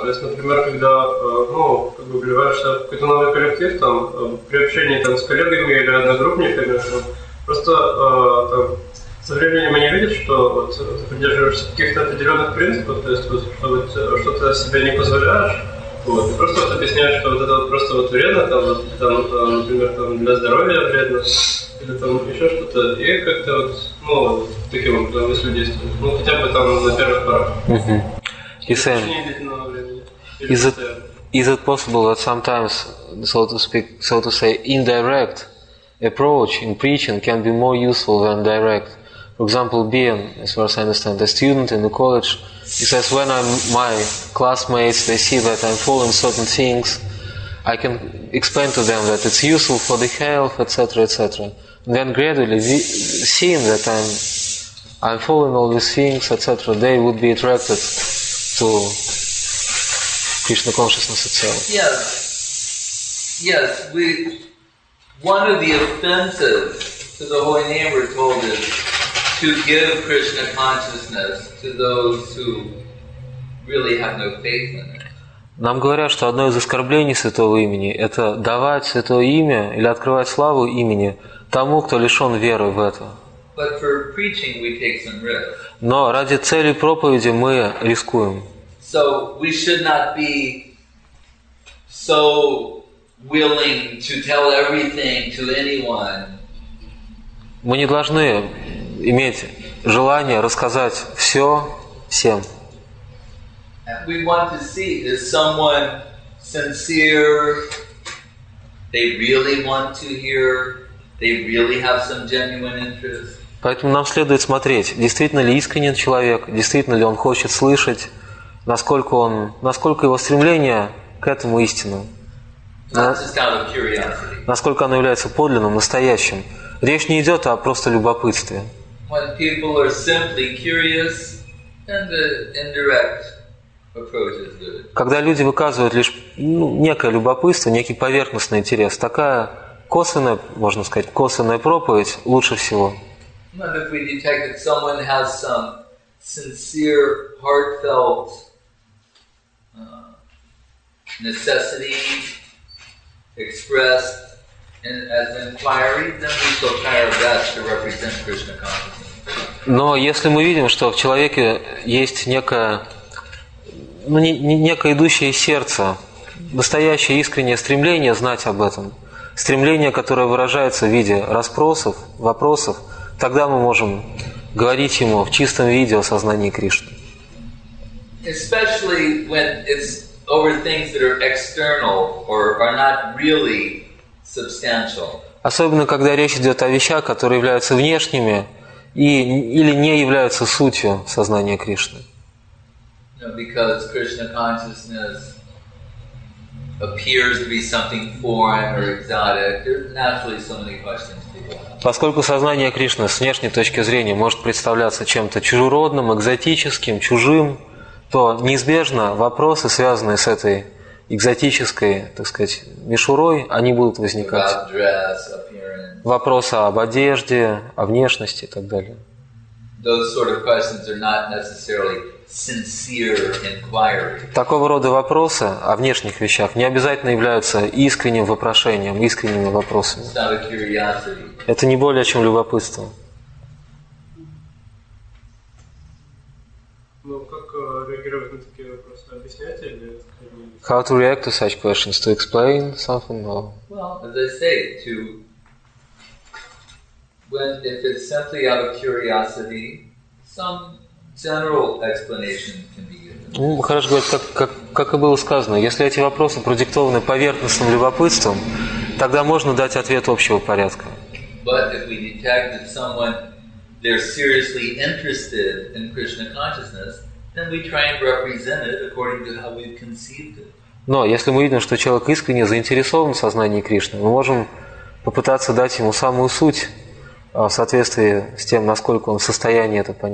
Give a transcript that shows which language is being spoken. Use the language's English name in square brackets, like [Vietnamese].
[Russian] То есть, например, когда как бы вливаешься в какой-то новый коллектив, там, при общении там, с коллегами или одногруппниками, просто там, со временем они видят, что вот, ты придерживаешься каких-то определенных принципов, то есть вот, что ты себе не позволяешь. Вот. И просто вот объясняют, что вот это вот просто вот вредно, там, вот, там, например, там, для здоровья вредно, или там еще что-то. И как-то вот, таким образом, если действовать. Ну, хотя бы там на первых порах. Угу. Если не идти на новое время. Или постоянно. [English] Is it possible that sometimes, so to say, indirect approach in preaching can be more useful than direct? For example, being, as far as I understand, a student in the college, he says, when I'm my classmates, they see that I'm following certain things, I can explain to them that it's useful for the health, etc., etc. And then gradually, seeing that I'm following all these things, etc., they would be attracted to Krishna consciousness itself. Yes. One of the offenses to the holy name we're told is to give Krishna consciousness to those who really have no faith in it. [Russian] Нам говорят, что одно из оскорблений святого имени – это давать святое имя или открывать славу имени тому, кто лишен веры в это. [English] But for preaching we take some risk. [Russian] Но ради цели проповеди мы рискуем. [English] So we should not be so willing to tell everything to anyone. [Russian] Мы не должны иметь желание рассказать все всем. [English] We want to see, is someone sincere, they really want to hear, they really have some genuine interest. [Russian] Поэтому нам следует смотреть, действительно ли искренен человек, действительно ли он хочет слышать, насколько его стремление к этому истинно. [English] Not just out of curiosity. [Russian] Насколько оно является подлинным, настоящим. Речь не идет о просто любопытстве. [English] When people are simply curious, then the indirect approach is good. [Russian] Когда люди выказывают лишь некое любопытство, некий поверхностный интерес, такая косвенная, можно сказать, косвенная проповедь лучше всего. [English] But if we detect that someone has some sincere, heartfelt necessity expressed as an inquiry, then we feel kind of best to represent Krishna consciousness. [Russian] Но если мы видим, что в человеке есть некое, некое идущее сердце, настоящее искреннее стремление знать об этом, стремление, которое выражается в виде расспросов, вопросов, тогда мы можем говорить ему в чистом виде о сознании Кришны. [English] Especially when it's over things that are external or are not really substantial. [Russian] Особенно, когда речь идет о вещах, которые являются внешними и, или не являются сутью сознания Кришны. [English] Because Krishna consciousness appears to be something foreign or exotic, there's naturally so many questions people have. [Russian] Поскольку сознание Кришны с внешней точки зрения может представляться чем-то чужеродным, экзотическим, чужим, то неизбежно вопросы, связанные с этой экзотической, так сказать, мишурой, они будут возникать. Вопросы об одежде, о внешности и так далее. [English] Those sort of questions are not necessarily sincere inquiry. [Russian] Такого рода вопросы о внешних вещах не обязательно являются искренним вопрошением, искренними вопросами. [English] It's not a curiosity. [Russian] Это не более чем любопытство. Ну, как реагировать на такие вопросы? Объяснять или это? [English] How to react to such questions? To explain something? Or... Well, as I say, to... When, if it's simply out of curiosity, some general explanation can be given. [Russian] Ну, хорошо говорить, как и было сказано, если эти вопросы продиктованы поверхностным любопытством, тогда можно дать ответ общего порядка. [English] But if we detect that someone they're seriously interested in Krishna consciousness, then we try and represent it according to how we've conceived it. [Russian] Но если мы видим, что человек искренне заинтересован в сознании Кришны, мы можем попытаться дать ему самую суть в соответствии с тем, насколько он в состоянии это